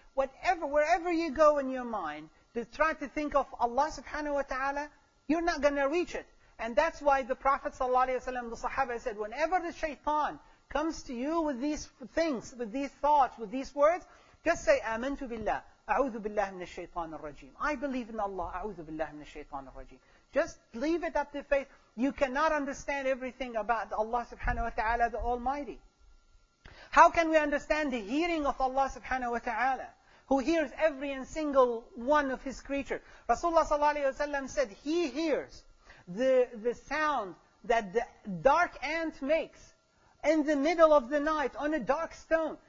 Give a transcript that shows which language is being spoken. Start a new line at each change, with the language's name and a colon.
English: Whatever, wherever you go in your mind, to try to think of Allah subhanahu wa ta'ala, you're not going to reach it. And that's why the Prophet sallallahu alayhi wa sallam, the Sahaba said, whenever the shaitan comes to you with these things, with these thoughts, with these words, just say,
Arabic: Amantu billah, أعوذ بالله من الشيطان الرجيم.
English: I believe in Allah.
Arabic: أعوذ بالله من الشيطان الرجيم.
English: Just leave it up to faith. You cannot understand everything about Allah subhanahu wa ta'ala, the Almighty. How can we understand the hearing of Allah subhanahu wa ta'ala, who hears every and single one of His creature? Rasulullah sallallahu alayhi wa sallam said, He hears the sound that the dark ant makes in the middle of the night on a dark stone.